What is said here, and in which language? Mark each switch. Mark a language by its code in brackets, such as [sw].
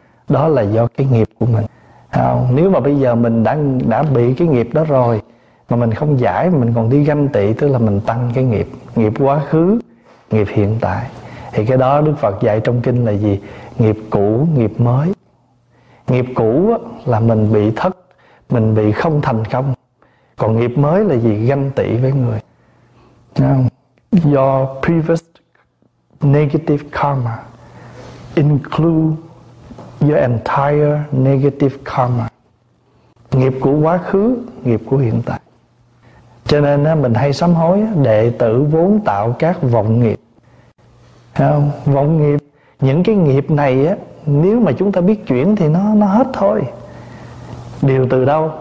[vi] Đó là do cái nghiệp của mình. Nếu mà bây giờ mình đã bị cái nghiệp đó rồi mà mình không giải, mình còn đi ganh tị, tức là mình tăng cái nghiệp, nghiệp quá khứ, nghiệp hiện tại. Thì cái đó Đức Phật dạy trong kinh là gì? Nghiệp cũ, nghiệp mới. Nghiệp cũ là mình bị thất, mình bị không thành công. Còn nghiệp mới là gì? Ganh tị với người. [en] Do previous negative karma include your entire negative karma. [vi] Nghiệp của quá khứ, nghiệp của hiện tại. Cho nên mình hay sám hối: đệ tử vốn tạo các vọng nghiệp. Vọng nghiệp, những cái nghiệp này á, nếu mà chúng ta biết chuyển thì nó hết thôi. Điều từ đâu?